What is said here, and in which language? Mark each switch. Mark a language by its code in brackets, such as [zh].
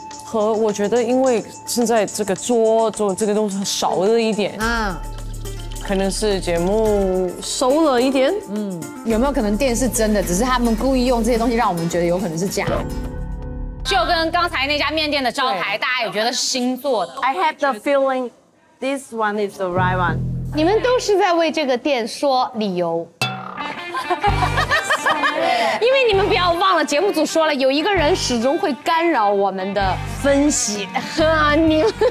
[zh] 和我觉得，因为现在这个桌这个东西少了一点，嗯，可能是节目收了一点，嗯，有没有可能店是真的，只是他们故意用这些东西让我们觉得有可能是假？就跟刚才那家面店的招牌，大家也觉得是新做的。 [en] I have the feeling this one is the right one。 [zh] 你们都是在为这个店说理由。因为你们不要忘了，节目组说了，有一个人始终会干扰我们的分析。呵，你。